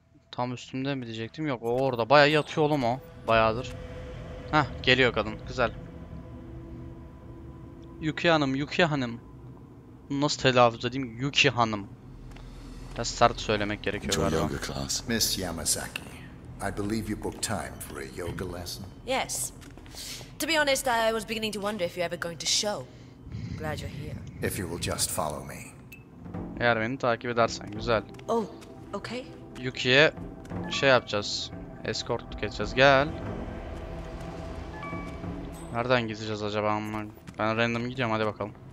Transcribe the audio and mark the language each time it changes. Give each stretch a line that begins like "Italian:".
Turkish: Tam üstümde mi diyecektim? Yok, o orada. Bayağı yatıyor oğlum o. Bayağıdır. Hah, geliyor kadın. Güzel. Yuki Hanım, Yuki Hanım. Bunu nasıl telaffuz edeyim? Yuki Hanım. Biraz sert söylemek gerekiyor galiba.
English: Miss Yamazaki, I believe you booked time for a yoga lesson. Yes. To be honest, I was beginning to wonder if you're ever going to show. Glad you're here. If you will just follow me.
Turkish: Eğer beni takip edersen güzel.
English: Oh, okay.
Turkish: Yuki'ye şey yapacağız. Eskortluk edeceğiz. Gel. Nereden gideceğiz acaba? Ben random gideceğim. Hadi bakalım.